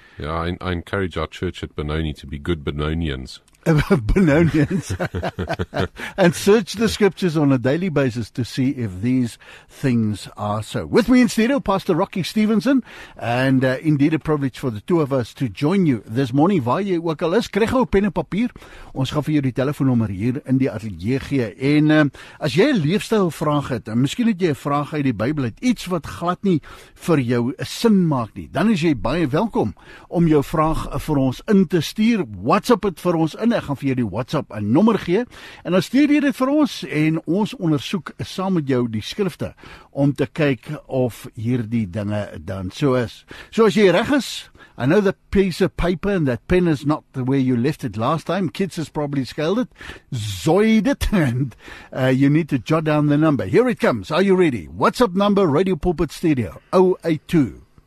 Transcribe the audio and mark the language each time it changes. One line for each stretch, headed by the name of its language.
English: Yeah, I encourage our church at Benoni to be good Benonians. Benonians. And search the scriptures on a daily basis to see if these things are so. With me in studio, Pastor Rocky Stevenson, and indeed a privilege for the two of us to join you this morning.
Afrikaans: Waar jy ook al is, kry gou pen en papier. Ons gaan vir jou die telefoonnommer hier in die atelier gee. En as jy 'n leefstylvraag het, en miskien het jy 'n vraag uit die Bybel, het iets wat glad nie vir jou sin maak nie, dan is jy baie welkom om jou vraag vir ons in te stuur. WhatsApp het vir ons in. Ek gaan vir jou die WhatsApp 'n nommer gee en dan stuur jy dit vir ons en ons ondersoek saam met jou die skrifte om te kyk of hierdie dinge dan so is. So as jy reg is,
English: I know the piece of paper and that pen is not the way you left it last time. Kids has probably scaled it, zoid it, and you need to jot down the number. Here it comes. Are you ready? WhatsApp number, Radio Pulpit Studio, 082.